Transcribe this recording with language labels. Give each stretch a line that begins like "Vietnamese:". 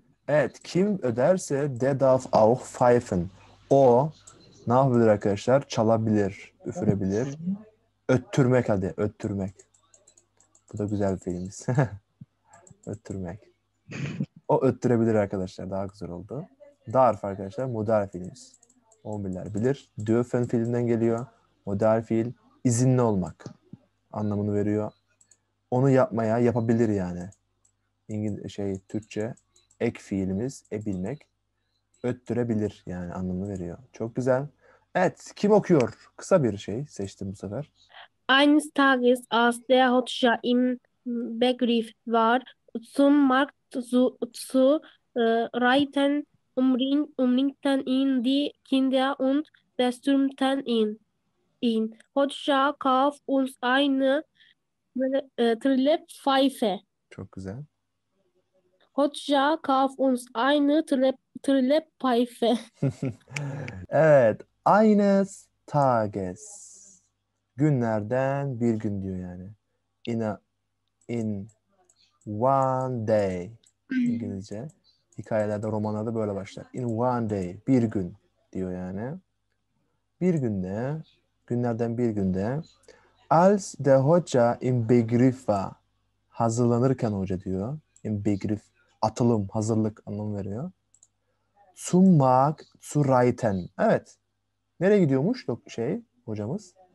Turkish: Evet, kim öderse
German: der darf auch pfeifen.
Turkish: O ne yapabilir arkadaşlar? Çalabilir, üfürebilir. Öttürmek hadi, öttürmek. Bu da güzel bir filmimiz. Öttürmek. O öttürebilir arkadaşlar, daha güzel oldu. Darf arkadaşlar, modern fiilimiz. On biler bilir. Dürfen fiilinden geliyor. Modern fiil, izinli olmak anlamını veriyor. Onu yapmaya, yapabilir yani. Türkçe ek fiilimiz ebilmek, öttürebilir yani anlamı veriyor. Çok güzel. Evet, kim okuyor? Kısa bir şey seçtim bu sefer.
German: Eines Tages als der Hotscha im Begriff war zum Markt zu reiten, umringten ihn die Kinder und bestürmten ihn. Hotscha kauf uns eine Trillerpfeife.
Turkish: Çok güzel.
German: Hotscha kauf uns eine Trillerpfeife.
Turkish: Evet.
German: Eines Tages.
Turkish: Günlerden bir gün diyor yani.
English: In one day.
Turkish: İngilizce. Hikayelerde, romanlarda böyle başlar.
English: In one day.
Turkish: Bir gün diyor yani. Bir günde, günlerden bir günde.
German: Als der Hotscha im Begriff war.
Turkish: Hazırlanırken hoca diyor.
German: Im Begriff.
Turkish: Atılım, hazırlık anlamı veriyor.
German: Zum Markt zu reiten.
Turkish: Evet. Nereye gidiyormuş şey hocamız?